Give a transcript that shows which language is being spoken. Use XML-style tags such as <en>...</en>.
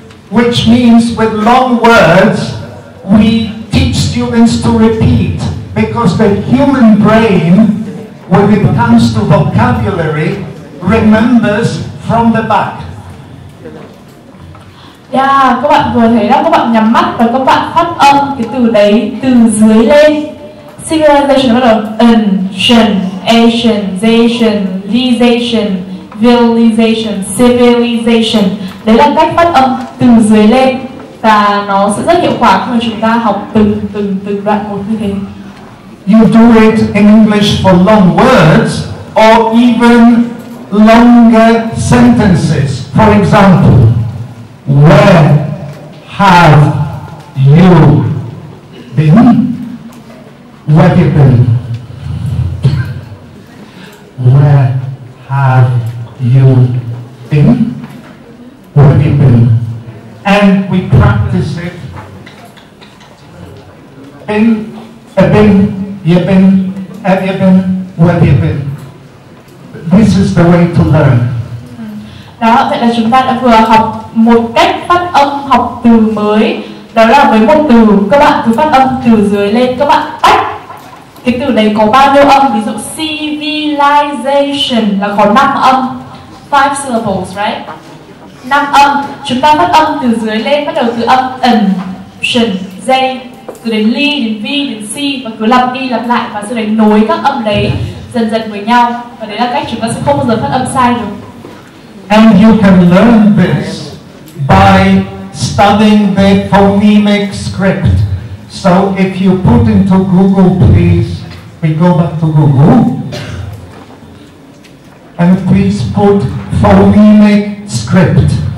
<en>Which means with long words, we teach students to repeat, because the human brain, when it comes to vocabulary, remembers from the back. Yeah,</en> <vi>Yeah, các bạn vừa thấy đó, các bạn nhắm mắt và các bạn phát âm cái từ đấy từ dưới lên. Civilization bắt đầu Ancient, Asianization, Lization, Villization, Civilization. Đấy là cách phát âm từ dưới lên. Và nó sẽ rất hiệu quả khi mà chúng ta học từng đoạn một như thế.</vi> <en>You do it in English for long words or even longer sentences. For example, where have you been? Where have you been? Where have you been? Where have you been? And we practice it in a bin. You've been, have you been, where have you been? This is the way to learn.</en> <vi>Đó, vậy là chúng ta đã vừa học một cách phát âm, học từ mới. Đó là với một từ, các bạn cứ phát âm từ dưới lên, các bạn tách cái từ đấy có bao nhiêu âm. Ví dụ civilization là có 5 âm, 5</vi> <en>syllables, right?</en> <vi>5 âm, chúng ta phát âm từ dưới lên, bắt đầu từ âm N, Shin, J, từ đến Li, đến V, đến C, và cứ lặp đi lặp lại, và sau đấy nối các âm đấy dần dần với nhau. Và đấy là cách chúng ta sẽ không bao giờ phát âm sai được.</vi> <en>And you can learn this by studying the phonemic script. So if you put into Google, please, we go back to Google. And please put phonemic script.</en>